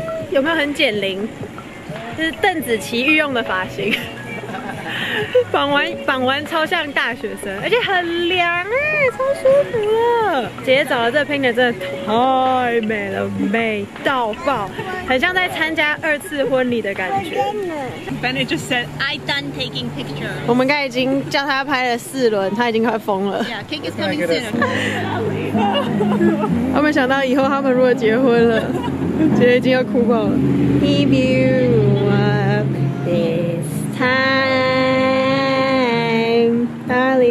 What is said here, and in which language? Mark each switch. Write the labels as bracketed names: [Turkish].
[Chinese] 有没有很减龄？就是邓紫棋御用的发型，绑完超像大学生，而且很凉哎、欸，超舒服了。姐姐找的这个 pin 真的太美了，美到爆，很像在参加二次婚礼的感觉。 [English] Bennett just said I done taking picture。 [Chinese] 我们刚才已经叫他拍了四轮，他已经快疯了。 [English] Yeah, cake is coming soon。 [Chinese] 他没想到以后他们如果结婚了。姐姐已经要哭爆了。 [English] If you want this time, darling.